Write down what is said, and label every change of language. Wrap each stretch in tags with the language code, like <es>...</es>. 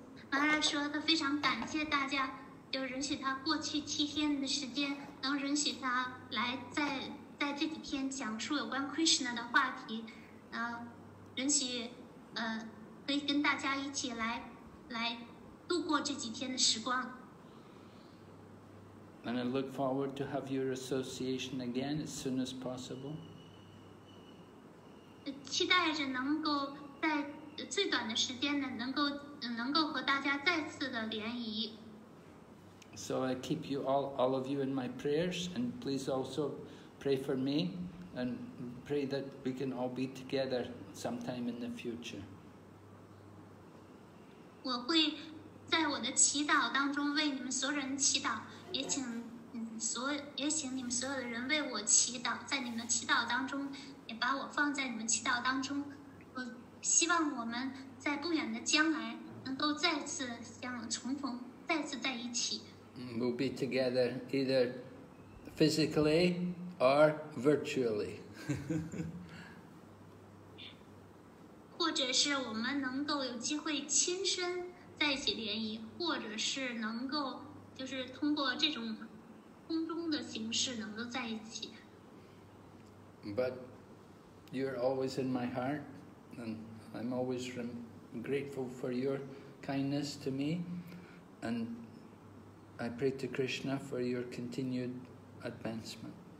<zh>马拉说他非常感谢大家，就允许他过去7天的时间，能允许他来在这几天讲述有关 Krishna 的话题，允许可以跟大家一起来度过这几天的时光。</zh> <en>And I look forward to have your association again as soon as possible.</en> <zh>期待着能够在最短的时间呢，能够和大家再次的联谊。</zh> <en>So I keep you all of you in my prayers, and please also pray for me, and pray that we can all be together sometime in the future.</en> <zh>我会在我的祈祷当中为你们所有人祈祷，也请你们所有的人为我祈祷，在你们的祈祷当中也把我放在你们祈祷当中。我希望我们在不远的将来能够再次重逢，再次在一起。</zh> <en>We'll be together either physically or virtually.</en> <zh>或者是我们能够有机会亲身在一起联谊，或者是能够就是通过这种空中的形式能够在一起。</zh> <en>But you're always in my heart, and I'm always grateful for your kindness to me, and I pray to Krishna for your continued advancement.</en>